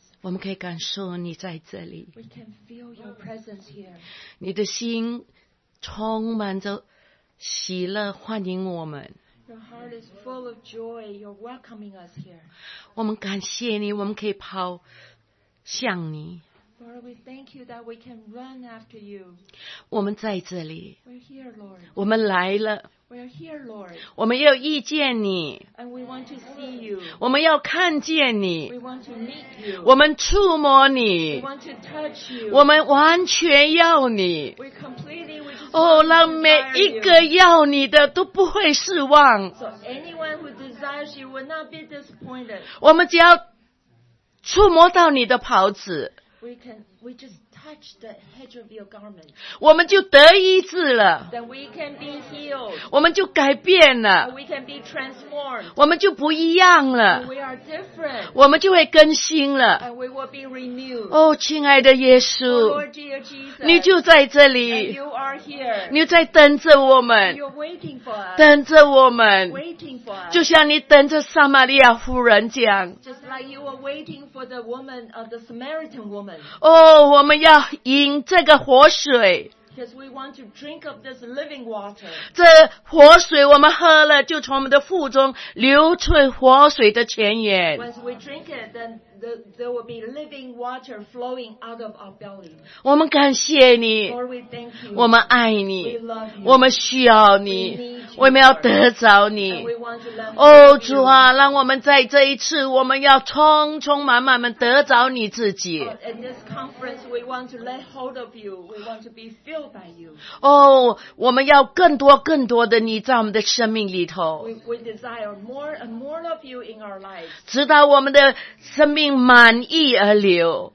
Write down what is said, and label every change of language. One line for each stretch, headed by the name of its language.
Chinese: 我们可以感受你在这里。
English: We can feel your presence here.
Chinese: 你的心充满着喜乐，欢迎我们。
English: Your heart is full of joy. You're welcoming us here.
Chinese: 我们感谢你，我们可以跑向你。
English: Lord, we thank you that we can run after you.
Chinese: 我们在这里。
English: We're here, Lord.
Chinese: 我们来了。
English: We're here, Lord.
Chinese: 我们要遇见你。
English: And we want to see you.
Chinese: 我们要看见你。
English: We want to meet you.
Chinese: 我们触摸你。
English: We want to touch you.
Chinese: 我们完全要你。
English: We completely want to desire you.
Chinese: 哦，让每一个要你的都不会失望。
English: So anyone who desires you will not be disappointed.
Chinese: 我们只要触摸到你的袍子。
English: We just touch the hedge of your garment.
Chinese: 我们就得医治了。
English: Then we can be healed.
Chinese: 我们就改变了。
English: And we can be transformed.
Chinese: 我们就不一样了。
English: And we are different.
Chinese: 我们就会更新了。
English: And we will be renewed.
Chinese: 哦，亲爱的耶稣。
English: Lord, dear Jesus.
Chinese: 你就在这里。
English: And you are here.
Chinese: 你在等着我们。
English: And you're waiting for us.
Chinese: 等着我们。
English: Waiting for us.
Chinese: 就像你等着撒玛利亚妇人这样。
English: Just like you were waiting for the woman of the Samaritan woman.
Chinese: 哦，我们要饮这个活水。
English: Because we want to drink of this living water.
Chinese: 这活水我们喝了，就从我们的腹中流出活水的泉源。
English: Once we drink it, then there will be living water flowing out of our belly.
Chinese: 我们感谢你。
English: Lord, we thank you.
Chinese: 我们爱你。
English: We love you.
Chinese: 我们需要你。
English: We need you.
Chinese: 我们要得着你。
English: And we want to learn from you.
Chinese: 哦，主啊，让我们在这一次，我们要充充满满的得着你自己。
English: At this conference, we want to lay hold of you. We want to be filled.
Chinese: 哦，我们要更多更多的你在我们的生命里头。
English: We desire more and more of you in our lives.
Chinese: 直到我们的生命满溢而流。